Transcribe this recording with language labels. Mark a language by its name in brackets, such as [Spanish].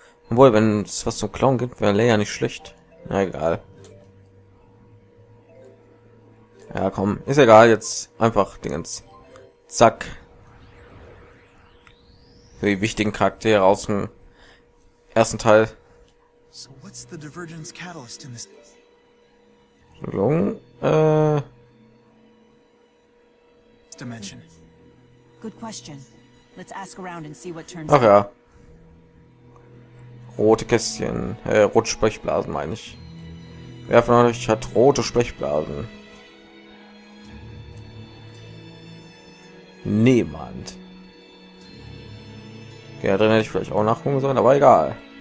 [German] Obwohl, wenn es was zum Clown gibt, wäre Leia nicht schlecht. Na, egal. Ja, komm, ist egal, jetzt einfach Dingens. Zack. Für die wichtigen Charaktere aus dem ersten Teil. [English] So, what's the divergence catalyst in this? Dimension. Good question. Let's ask around and see what turns. [German] Ach ja. Rote Kästchen, rote Sprechblasen meine ich. Wer von euch hat rote Sprechblasen? Niemand. Ja, drin hätte ich vielleicht auch nachgucken sollen, aber egal.